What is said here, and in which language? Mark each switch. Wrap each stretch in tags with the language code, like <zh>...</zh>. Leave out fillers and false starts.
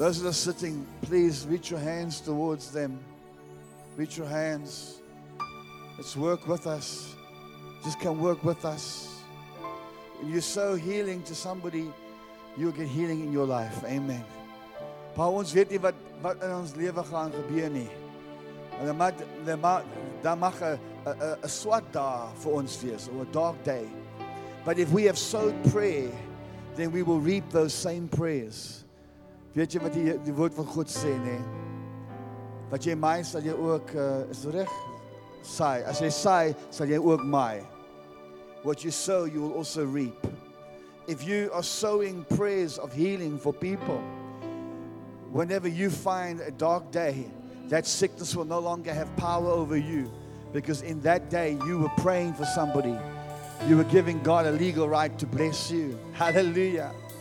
<en>Those that are sitting, please reach your hands towards them. Reach your hands. Let's work with us. Just come work with us. When you sow healing to somebody, you'll get healing in your life. Amen.</en> <af>Maar ons weet nie wat in ons lewe gaan gebeur nie. En dan mag 'n swart dag vir ons wees,</af> <en>or a dark day. But if we have sowed prayer, then we will reap those same prayers.</en> <af>Weet jy wat die woord van God sê, nê? Wat jy maai, sal jy ook is reg saai. As jy saai, sal jy ook maai.</af> <en>What you sow, you will also reap. If you are sowing prayers of healing for people, whenever you find a dark day, that sickness will no longer have power over you, because in that day you were praying for somebody You were giving God a legal right to bless you. Hallelujah.</en>